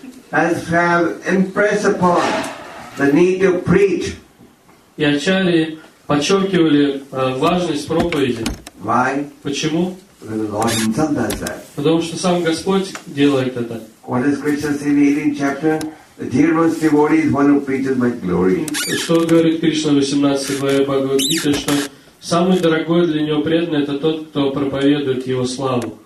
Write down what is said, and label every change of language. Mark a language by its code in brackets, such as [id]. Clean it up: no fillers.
[en] As have impressed upon the need to preach. [ru] И ачарьи подчеркивали важность проповеди. [en] Why? [ru] Почему? [en] Because the Lord Himself does that. [ru] Потому что сам Господь делает это. [en] What does Krishna say in the 18th chapter? The dearest devotee is one who preaches my glory. [ru] Что говорит Кришна в 18 главе Бхагавад-гиты, что самый дорогой для него преданный это тот, кто проповедует его славу.